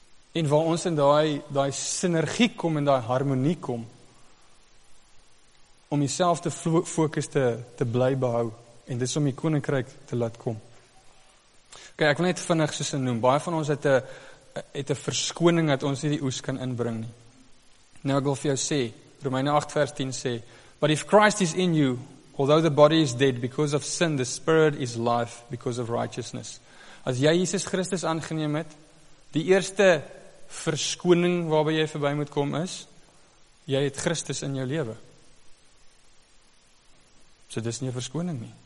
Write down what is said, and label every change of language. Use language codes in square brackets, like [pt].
[af] En waar ons in daai synergie kom en daai harmonie kom. Om jouself te fokus te bly behou en dis om die koninkryk te laat kom. OK, ek wil net vinnig soos noem, baie van ons het 'n verskoning dat ons nie die oes kan inbring nie. Nou ek wil vir jou sê, Romeine 8 vers 10 sê, [en] but if Christ is in you, although the body is dead because of sin, the spirit is life because of righteousness. [af] As jy Jesus Christus aangeneem het, die eerste verskoning waarby jy verby moet kom is, jy het Christus in jou lewe. So dis nie 'n verskoning nie.